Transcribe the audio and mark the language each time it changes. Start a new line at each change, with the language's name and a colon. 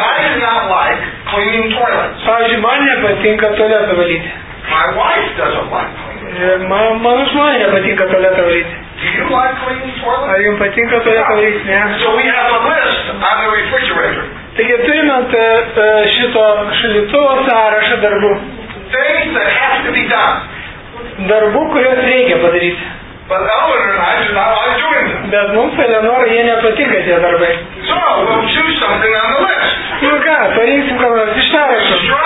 English: I do not like cleaning toilets.
Lithuanian: Pavyzdžiui, man nepatinka tualetą valyti.
English: My wife doesn't like cleaning toilets.
Lithuanian: Mano žmona nepatinka tualetą valyti.
English: Do you like cleaning toilets?
Lithuanian: Ar jums patinka tualetą valyti? Ne.
English: So we have a list on the refrigerator.
Lithuanian: Taigi turime šito šaldytuvo sąrašą darbų.
English: Things that have to be done.
Lithuanian: Darbų, kuriuos reikia padaryti.
English: But Eleanor and I do not like doing them.
Lithuanian: Bet mums, Eleanor, jie nepatinka tie darbai.
English: So, we'll choose something on the list.
Lithuanian: Ir ką, parinksim ką nors iš sąrašo.